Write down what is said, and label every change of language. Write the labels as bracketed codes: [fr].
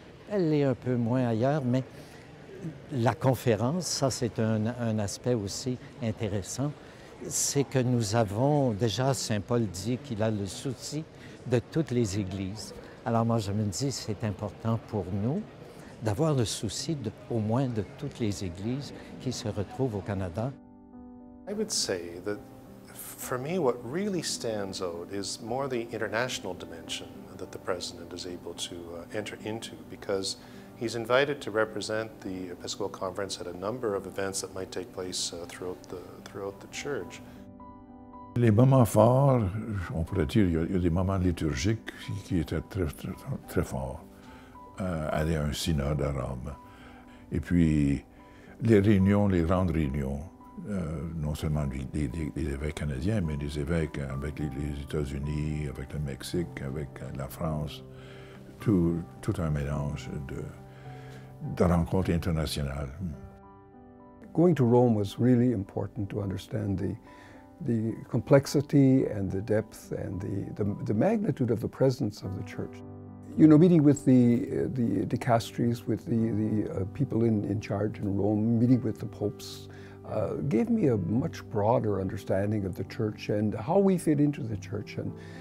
[fr] Elle l'est un peu moins ailleurs, mais la conférence, ça c'est un aspect aussi intéressant. C'est que nous avons déjà, Saint-Paul dit qu'il a le souci de toutes les églises. Alors moi, je me dis, c'est important pour nous d'avoir le souci de, au moins de toutes les églises qui se retrouvent au Canada. [en] I would say that for me, what really stands out is more the international dimension that the president is able to enter into, because he's invited to represent the Episcopal Conference at a number of events that might take place throughout the church. [fr] Les moments forts, on pourrait dire, il y a des moments liturgiques qui étaient très très, très forts. Aller à un synode à Rome, et puis les réunions, les grandes réunions, non seulement des évêques canadiens, mais des évêques avec les États-Unis, avec le Mexique, avec la France, tout un mélange de rencontres internationales. [en] Going to Rome was really important to understand the complexity and the depth and the magnitude of the presence of the church. You know, meeting with the dicasteries, with the people in charge in Rome, meeting with the popes, gave me a much broader understanding of the church and how we fit into the church, and